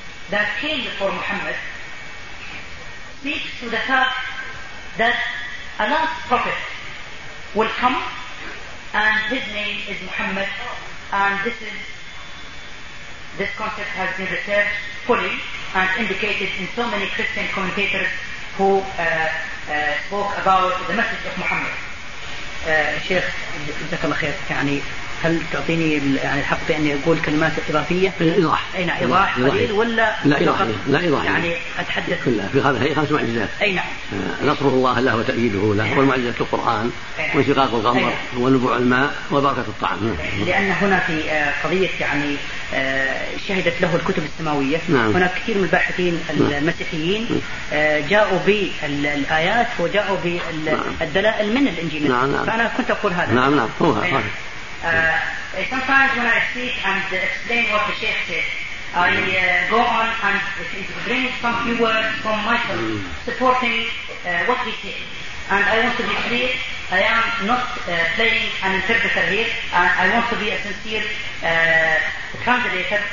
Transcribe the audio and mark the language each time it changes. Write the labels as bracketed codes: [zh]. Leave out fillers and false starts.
[en] that came before Muhammad speaks to the fact that a last prophet will come and his name is Muhammad, and this concept has been researched fully and indicated in so many Christian commentators who spoke about the message of Muhammad. [ar] شيخ جزاك الله خير, يعني هل تعطيني يعني الحق بأني أقول كلمات إضافية؟ إيضاح. أي نعم, إيضاح قليل ولا لا إيضاح؟ لا إيضاح, يعني أتحدث كلها في هذا الحديث خمس معجزات. أي نعم, نصره الله له وتأييده له, والمعجزة في القرآن وانشقاق القمر ونبوع الماء وبركة الطعام, لأن هنا في قضية يعني شهدت له الكتب السماوية. نعم. هناك كثير من الباحثين المسيحيين جاءوا بالآيات وجاءوا بالدلائل من الإنجيل. نعم نعم, فأنا كنت أقول هذا. نعم نعم, هو هذا. [en] Sometimes when I speak and explain what the Sheikh said, I go on and bring some few words from myself supporting what he said. And I want to be clear, I am not playing an interpreter here, and I want to be a sincere translator.